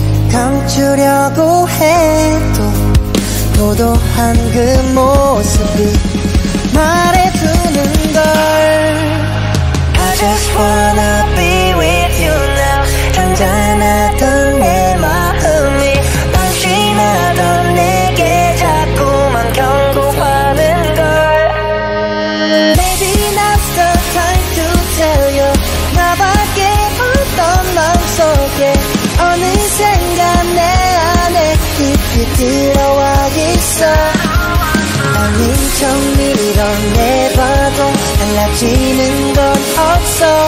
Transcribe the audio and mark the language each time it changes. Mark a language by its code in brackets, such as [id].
[ko] 감추려고 해도 도도한 그 모습이 말해주는 걸. [en] I just wanna be with you now. [ko] 잔잔하던 내 마음이 방심하던 내게 자꾸만 경고하는 걸. [en] Maybe now's the time to tell you. [ko] 나밖에 없던 마음속에 어느샌가 내 안에 깊이 들어와 있어. 아닌 척 밀어내봐도 달라지는 건 없어.